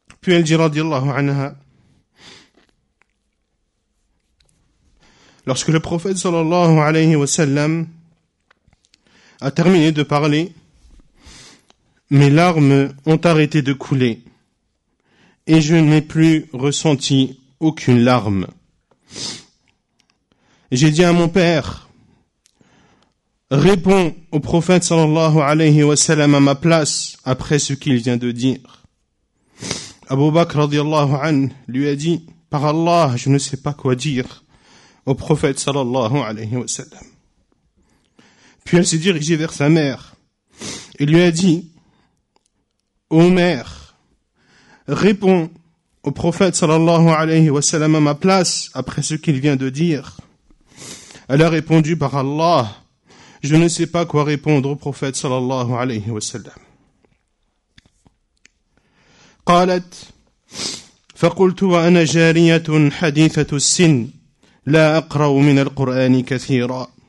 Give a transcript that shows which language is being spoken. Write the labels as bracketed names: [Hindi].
[French] Elle dit, radiallahu anha, lorsque le prophète sallallahu alayhi wa sallam a terminé de parler, mes larmes ont arrêté de couler et je n'ai plus ressenti aucune larme. J'ai dit à mon père, réponds au prophète sallallahu alayhi wa sallam à ma place après ce qu'il vient de dire. Abu Bakr radiallahu anh lui a dit, par Allah, je ne sais pas quoi dire au prophète sallallahu alayhi wa sallam. Puis elle s'est dirigée vers sa mère et lui a dit, ô mère, réponds au prophète sallallahu alayhi wa sallam à ma place après ce qu'il vient de dire. Elle a répondu, par Allah, je ne sais pas quoi répondre au prophète sallallahu alayhi wa sallam. [Arabic] قالت فقلت وأنا جارية حديثة السن لا أقرأ من القرآن كثيرا